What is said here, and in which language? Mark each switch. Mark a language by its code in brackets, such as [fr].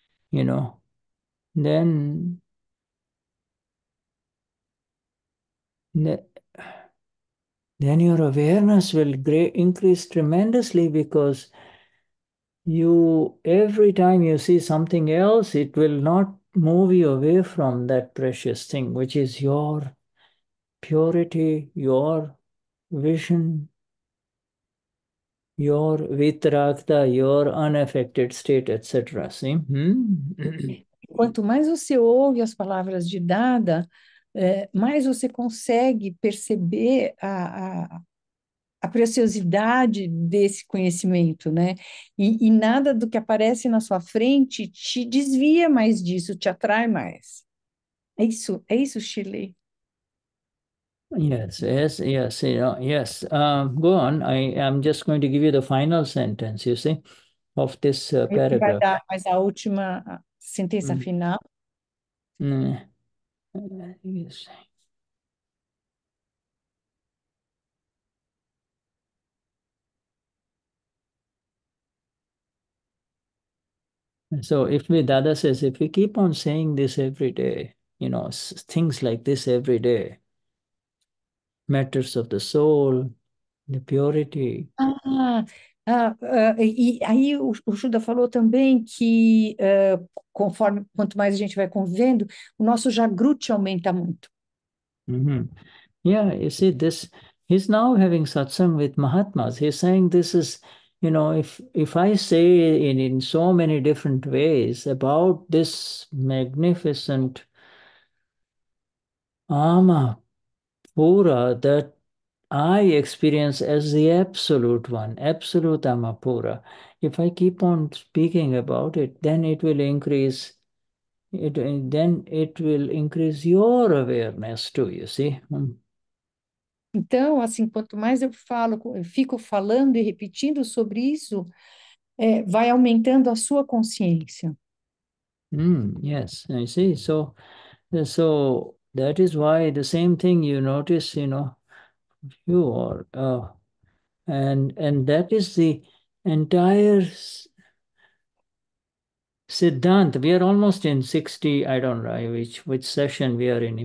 [en] You know, then your awareness will increase tremendously because every time you see something else, it will not move you away from that precious thing, which is your purity, your vision, your vitrakta, your unaffected state, etc. See? [pt] Quanto mais você ouve as palavras de Dada, mais você consegue perceber a preciosidade desse conhecimento, né? E nada do que aparece na sua frente te desvia mais disso, te atrai mais. É isso, Shirley. [en] Yes, you know, yes. Go on. I'm just going to give you the final sentence, you see, of this [pt] Ele vai [en] paragraph. [pt] dar mais a última sentença final. [en] Yes. So if we, Dada says, if we keep on saying this every day, you know, things like this every day, matters of the soul, the purity. [pt] E aí o Shuddha falou também que quanto mais a gente vai convivendo, o nosso jagrute aumenta muito. [en] Yeah, you see, this, he's now having satsang with Mahatmas. He's saying this is, you know, if I say in so many different ways about this magnificent ama, Pura that I experience as the absolute one, absolute Amapura. If I keep on speaking about it, then it will increase it, then it will increase your awareness too, you see. [pt] Então, assim, quanto mais eu fico falando e repetindo sobre isso, vai aumentando a sua consciência. [en] Yes, I see. So that is why the same thing you notice, you know, you are, and that is the entire Siddhant. We are almost in 60, I don't know which session we are in.